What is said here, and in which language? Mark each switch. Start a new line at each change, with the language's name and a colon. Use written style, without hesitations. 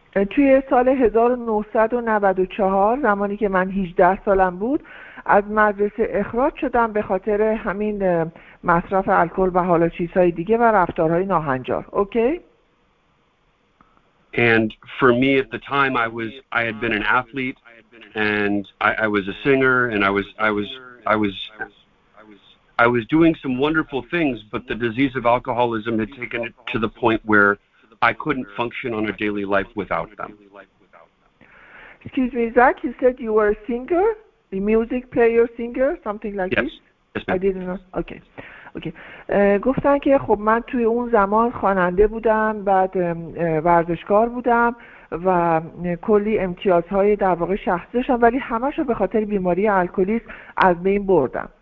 Persian: توی سال 1994 زمانی که من 18 سالم بود از مدرسه اخراج شدم به خاطر همین مصرف الکل و حالا چیزهای دیگه و رفتارهای ناهنجار.
English: Okay? And for me at the time I had been an athlete and I was a singer and I was doing some wonderful things, but the disease of alcoholism had taken it to the point where I couldn't function on a daily life without them. Excuse me, Zach, you said you were a singer, a music player, singer, something like yes. this? Yes, I didn't know. Okay. Okay.
Persian: گفتن که خب من توی اون زمان خواننده بودم، بعد ورزشکار بودم و کلی امتیازهای در واقع شخصی داشتم، ولی همش رو به خاطر بیماری الکلیسم از بین بردم.